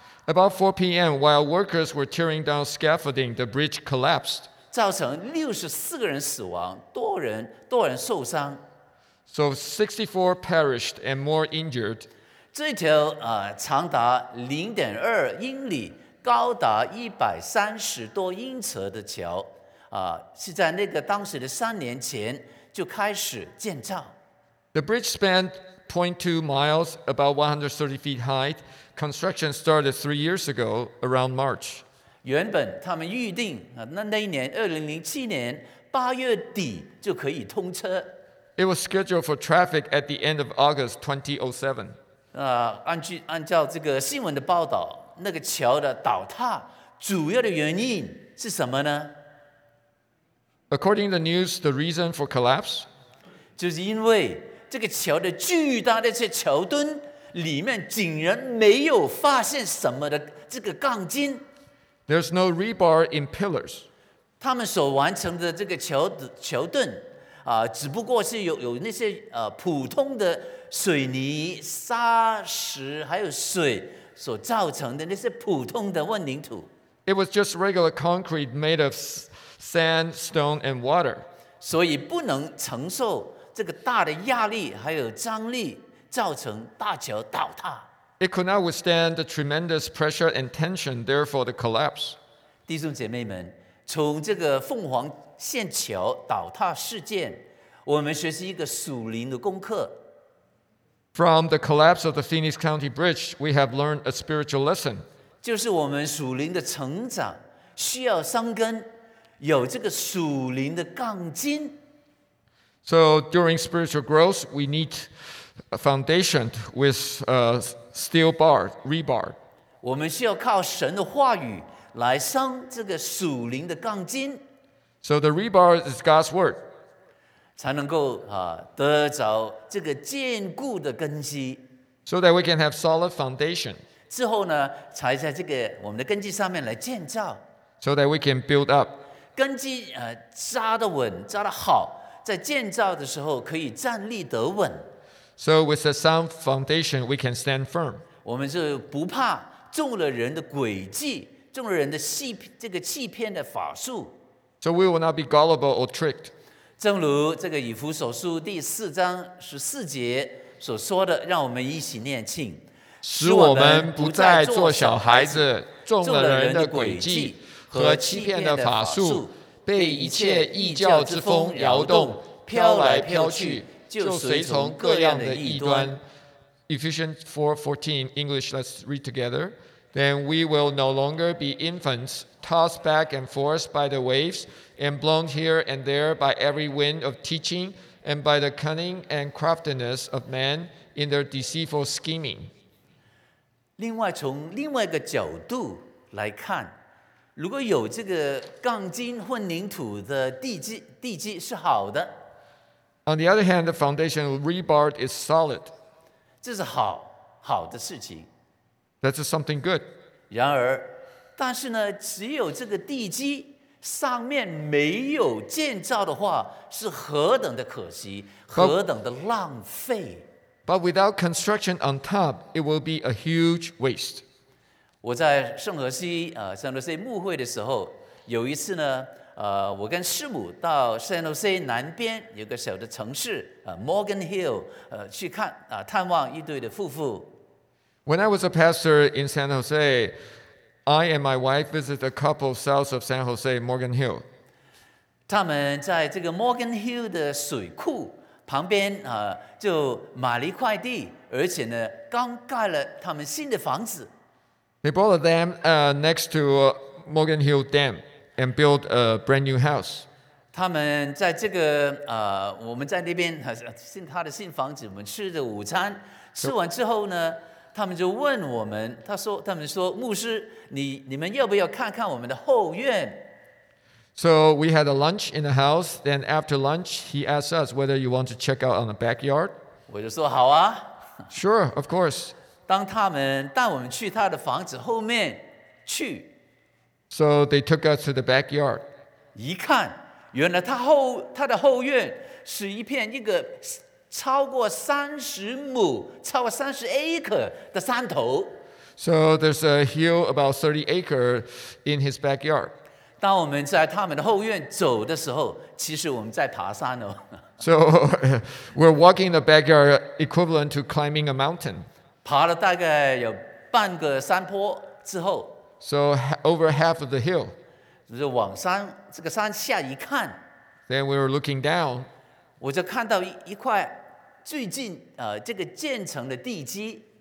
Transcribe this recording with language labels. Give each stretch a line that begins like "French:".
English: About 4 p.m., while workers were tearing down scaffolding, the bridge collapsed.
Chinese: 造成64个人死亡，多人受伤。
English: So 64 perished and more injured.
Chinese: 这条长达 0.2 英里、高达130多英尺的桥是在那个当时的三年前就开始建造。
English: The bridge spanned 0.2 miles, about 130 feet high. Construction started 3 years ago, around March.
Chinese: 原本他们预定那一年2007年八月底就可以通车。
English: It was scheduled for traffic at the end of August 2007.
Chinese: 按照这个新闻的报道，那个桥的倒塌主要的原因是什么呢
English: ？According to the news, the reason for collapse
Chinese: 就是因为这个桥的巨大的这桥墩里面竟然没有发现什么的这个钢筋。
English: There's no rebar in pillars.
Chinese: 他们所完成的这个 桥墩、只不过是 有那些、普通的水泥、砂石还有水所造成的那些普通的混凝土。
English: It was just regular concrete made of sand, stone, and water.
Chinese: 所以不能承受这个大的压力还有张力造成大桥倒塌。
English: It could not withstand the tremendous pressure and tension, therefore the collapse.
Chinese: 弟兄姐妹们，从这个凤凰线桥倒塌事件，我们学习一个属灵的功课。
English: From the collapse of the Phoenix County Bridge, we have learned a spiritual lesson.
Chinese: 就是我们属灵的成长需要生根，有这个属灵的钢筋。
English: So during spiritual growth, we need a foundation with a steel bar, rebar.
Chinese: 我们需要靠神的话语来生这个属灵的钢筋。
English: So the rebar is God's word.
Chinese: 才能够得着这个坚固的根基。
English: So that we can have solid foundation.
Chinese: 之后呢，才在这个我们的根基上面来建造。
English: So that we can build up.
Chinese: 根基扎得稳，扎得好，在建造的时候可以站立得稳。
English: So with a sound foundation, we can stand firm.
Chinese: 我们就不怕中了人的诡计。众人的戏，这个欺骗的法术。
English: So we will not be gullible or tricked.
Chinese: 正如这个以弗所书第四章十四节所说的，让我们一起念经，使我们不再做小孩子，众人的诡计和欺骗的法术，被一切异教之风摇动，飘来飘去，就随从各样的异端。
English: Ephesians 4:14 English. Let's read together. Then we will no longer be infants, tossed back and forth by the waves, and blown here and there by every wind of teaching, and by the cunning and craftiness of men in their deceitful scheming.
Chinese: 另外，从另外一个角度来看，如果有这个钢筋混凝土的地基是好的。
English: On the other hand, the foundation rebar is solid.
Chinese: 这是好的事情。
English: That's something good.
Chinese: 然而，但是呢，只有这个地基上面没有建造的话，是何等的可惜，何等的浪费。
English: But without construction on top, it will be a huge waste.
Chinese: 我在圣何西圣何西牧会的时候，有一次呢，我跟师母到圣何西南边有个小的城市Morgan Hill去看探望一对的夫妇。
English: When I was a pastor in San Jose, I and my wife visited a couple south of San Jose, Morgan Hill.
Chinese: 他们在这个 Morgan Hill 的水库旁边就买了一块地，而且呢，刚盖了他们新的房子。
English: They bought a dam next to Morgan Hill Dam and built a brand new house.
Chinese: 他们在这个我们在那边他的新房子，我们吃着午餐，吃完之后呢。他们就问我们，他们说，牧师，你们要不要看看我们的后院
English: ？So we had a lunch in the house. Then after lunch, he asked us whether you want to check out on the backyard.
Chinese: 我就说好啊。
English: Sure, of course.
Chinese: 当他们带我们去他的房子后面去
English: ，So they took us to the backyard.
Chinese: 一看，原来他的后院是一片一个。超过三十亩，超过三十 acre 的山头。
English: So there's a hill about 30 acre in his backyard.
Chinese: 当我们在他们的后院走的时候，其实我们在爬山哦。
English: So we're walking the backyard equivalent to climbing a mountain.
Chinese: 爬了大概有半个山坡之后。
English: So over half of the hill.
Chinese: 就往山这个山下一看。
English: Then we were looking down.
Chinese: 我就看到一块最近这个建成的地基。